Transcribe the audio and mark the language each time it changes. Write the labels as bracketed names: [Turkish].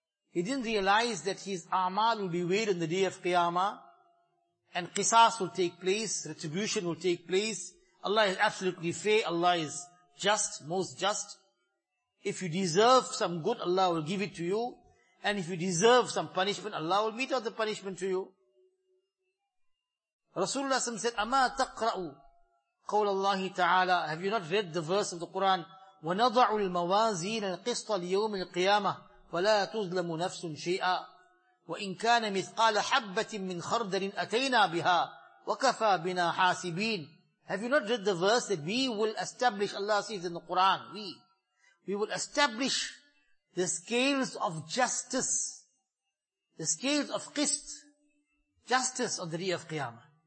[English] He didn't realize that his a'mal will be weighed on the day of Qiyamah, and qisas will take place, retribution will take place. Allah is absolutely fair, Allah is just, most just. If you deserve some good, Allah will give it to you. And if you deserve some punishment, Allah will mete out the punishment to you. Rasulullah said, [Arabic] أَمَا تَقْرَأُ قَوْلَ اللَّهِ تَعَالَى. [English] Have you not read the verse of the Quran? [Arabic] وَنَضَعُ الْمَوَازِينَ الْقِسْطَ لِيَوْمِ الْقِيَامَةِ وَلَا تُظْلَمُ نَفْسٌ شَيْئًا وَإِنْ كَانَ مِثْقَالَ حَبَّةٍ مِّنْ خَرْدَلٍ أَتَيْنَا بِهَا وَكَفَى بِنَا حَاسِبِينَ. [English] Have you not read the verse that we will establish, Allah says in the Quran, we will establish the scales of justice, the scales of qist, justice on the day of Qiyamah.